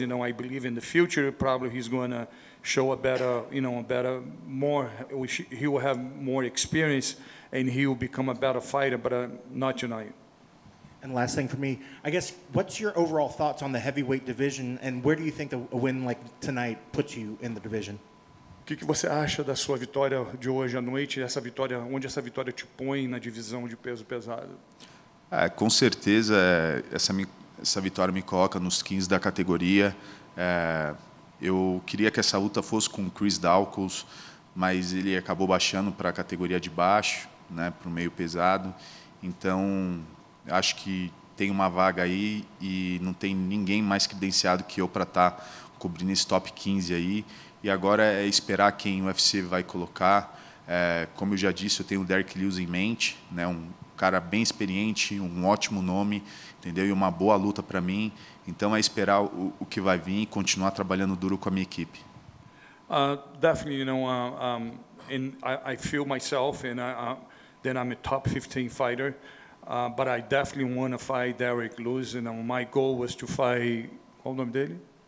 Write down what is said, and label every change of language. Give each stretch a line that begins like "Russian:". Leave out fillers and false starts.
English: You know, I believe in the future, probably he's going to show a better, you know, he will have more experience, and he will become a better fighter, but not tonight. And last thing for me, I guess, what's your overall thoughts on the heavyweight division, and where do you think a win like tonight puts you in the division?
Portuguese: O que você acha da sua vitória de hoje à noite? Essa vitória, onde essa vitória te põe na divisão de peso pesado? Com certeza, essa vitória me coloca nos 15 da categoria. Eu queria que essa luta fosse com o Chris Daukos, mas ele acabou baixando para a categoria de baixo, né, para o meio pesado. Então, acho que tem uma vaga aí e não tem ninguém mais credenciado que eu para estar cobrindo esse top 15 aí. E agora é esperar quem o UFC vai colocar. Como eu já disse, eu tenho o Derek Lewis em mente, né, um cara bem experiente, um ótimo nome, entendeu? E uma boa luta para mim. Então, é esperar o que vai vir e continuar trabalhando duro com a minha equipe.
English: Definitely, you know, and I feel myself, and then I'm a top 15 fighter, but I definitely want to fight Derek Lewis, and my goal was to fight,
Portuguese: qual o nome dele?